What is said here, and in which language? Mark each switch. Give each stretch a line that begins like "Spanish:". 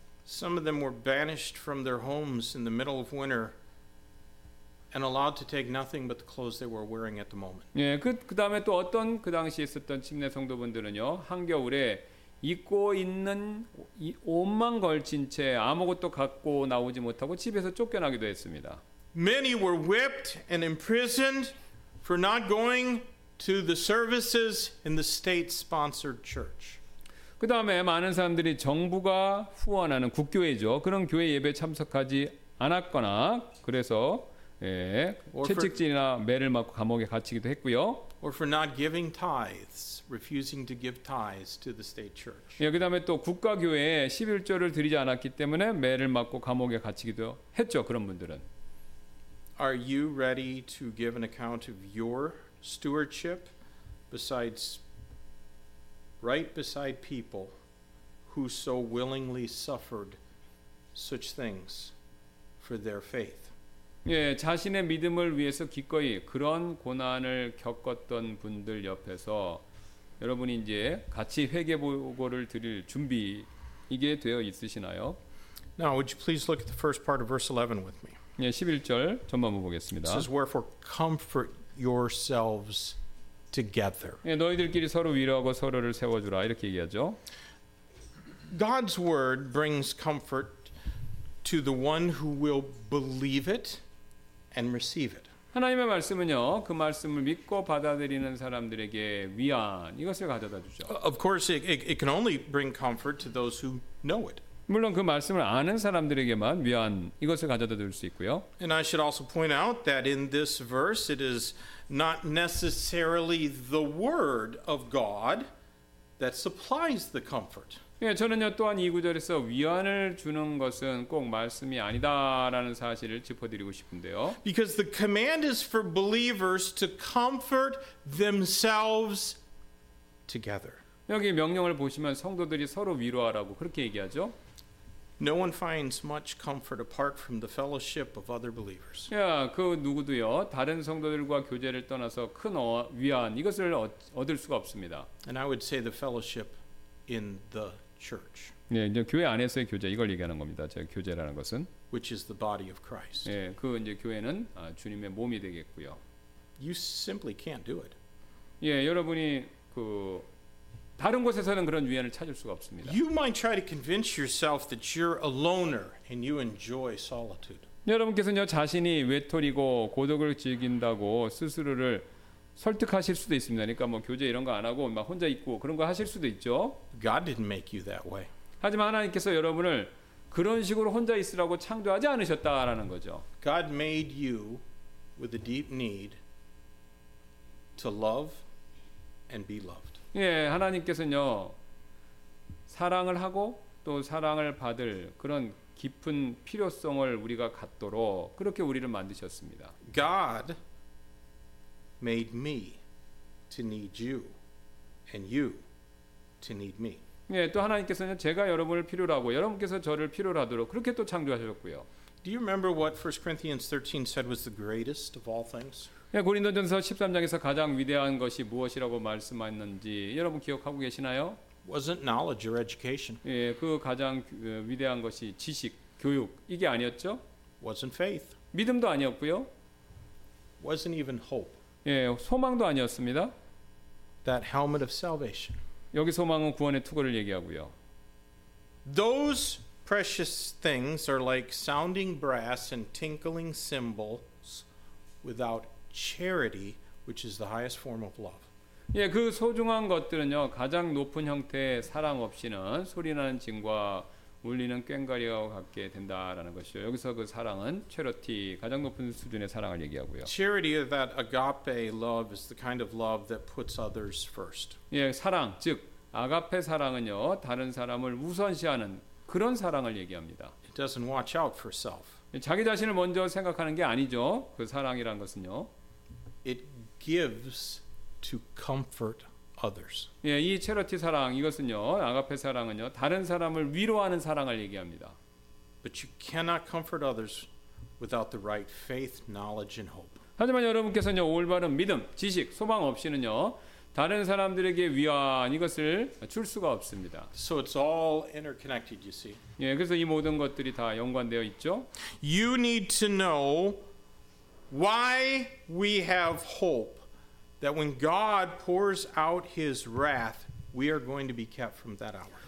English: Some of them were banished from their homes in the middle of winter. And allowed to take nothing but the clothes they were wearing at the moment.
Korean: 예, 그 다음에 또 어떤 그 당시 있었던 침례 성도분들은요 한겨울에 입고 있는 옷만 걸친 채 아무것도 갖고 나오지 못하고 집에서 쫓겨나기도 했습니다.
English: Many were whipped and imprisoned for not going to the services in the state-sponsored church.
Korean: 그 다음에 많은 사람들이 정부가 후원하는 국교회죠 그런 교회 예배 참석하지 않았거나 그래서 예, 채찍질이나 매를 맞고 감옥에 갇히기도 했고요.
English: Or for not giving tithes, refusing to give tithes to the state church.
Korean: 예, 그다음에 또 국가 교회에 십일조를 드리지 않았기 때문에 매를 맞고 감옥에 갇히기도 했죠. 그런 분들은.
English: Are you ready to give an account of your stewardship besides right beside people who so willingly suffered such things for their faith.
Korean: 예, 자신의 믿음을 위해서 기꺼이 그런 고난을 겪었던 분들 옆에서 여러분이 이제 같이 회개 보고를 드릴 준비 이게 되어 있으시나요?
English: Now, would you please look at the first part of verse 11 with me?
Korean: 예, 11절 전반부 보겠습니다.
English: It says, "Wherefore comfort yourselves together."
Korean: 예, 너희들끼리 서로 위로하고 서로를 세워주라 이렇게 얘기하죠.
English: God's word brings comfort to the one who will believe it and receive it.
Korean: 하나님의 말씀은요, 그 말씀을 믿고 받아들이는 사람들에게 위안 이것을 가져다 주죠.
English: Of course, it can only bring comfort to those who know it.
Korean: 물론 그 말씀을 아는 사람들에게만 위안 이것을 가져다 줄 수 있고요.
English: And I should also point out that in this verse, it is not necessarily the word of God that supplies the comfort.
Korean: 예, 저는요 또한 이 구절에서 위안을 주는 것은 꼭 말씀이 아니다라는 사실을 짚어드리고 싶은데요.
English: Because the command is for believers to comfort themselves together.
Korean: 여기 명령을 보시면 성도들이 서로 위로하라고 그렇게 얘기하죠.
English: No one finds much comfort apart from the fellowship of other believers.
Korean: 야, 그 누구도요 다른 성도들과 교제를 떠나서 큰 위안 이것을 얻을 수가 없습니다.
English: And I would say the fellowship in the church.
Korean: 네, 이제 교회 안에서의 교제 이걸 얘기하는 겁니다. 제 교제라는 것은
English: which is the body of Christ.
Korean: 예, 그 이제 교회는 주님의 몸이 되겠고요.
English: You simply can't do it.
Korean: 예, 여러분이 그 다른 곳에서는 그런 위안을 찾을 수가 없습니다.
English: You might try to convince yourself that you're a loner and you enjoy solitude.
Korean: 여러분께서는요 자신이 외톨이고 고독을 즐긴다고 스스로를 설득하실 수도 있습니다. 그러니까 뭐 교제 이런 거 안 하고 막 혼자 있고 그런 거 하실 수도 있죠.
English: God didn't make you that way.
Korean: 하지만 하나님께서 여러분을 그런 식으로 혼자 있으라고 창조하지 않으셨다라는 거죠.
English: God made you with a deep need to love and be loved.
Korean: 예, 하나님께서는요 사랑을 하고 또 사랑을 받을 그런 깊은 필요성을 우리가 갖도록 그렇게 우리를 만드셨습니다.
English: God made me to need you and you to need me.
Korean: 예, 또 하나님께서는 제가 여러분을 필요로 하고 여러분께서 저를 필요로 하도록 그렇게 또 창조하셨고요.
English: Do you remember what 1 Corinthians 13 said was the greatest of all things?
Korean: 예, 고린도전서 13장에서 가장 위대한 것이 무엇이라고 말씀하셨는지 여러분 기억하고 계시나요?
English: Wasn't knowledge or education.
Korean: 예, 그 가장 위대한 것이 지식, 교육 이게 아니었죠?
English: Wasn't faith.
Korean: 믿음도 아니었고요.
English: Wasn't even hope.
Korean: 예, 소망도 아니었습니다.
English: That helmet of salvation.
Korean: 여기 소망은 구원의 투구를 얘기하고요.
English: Those precious things are like sounding brass and tinkling cymbals without charity, which is the highest form of love.
Korean: 예, 그 소중한 것들은요, 가장 높은 형태의 사랑 없이는 소리나는 징과 울리는 꽹과리와 같게 된다라는 것이요. 여기서 그 사랑은 charity, 가장 높은 수준의 사랑을 얘기하고요.
English: Charity, that agape love, is the kind of love that puts others first.
Korean: 예, 사랑, 즉 아가페 사랑은요, 다른 사람을 우선시하는 그런 사랑을 얘기합니다.
English: It doesn't watch out for self.
Korean: 자기 자신을 먼저 생각하는 게 아니죠. 그 사랑이란 것은요.
English: It gives to comfort others.
Korean: 예, 이 체러티 사랑 이것은요, 아가페 사랑은요, 다른 사람을 위로하는 사랑을 얘기합니다.
English: But you cannot comfort others without the right faith, knowledge, and hope.
Korean: 하지만 여러분께서는요, 올바른 믿음, 지식, 소망 없이는요, 다른 사람들에게 위안 이것을 줄 수가 없습니다.
English: So it's all interconnected, you see.
Korean: 예, 그래서 이 모든 것들이 다 연관되어 있죠.
English: You need to know why we have hope. That when God pours out His wrath, we are going to be kept from that hour.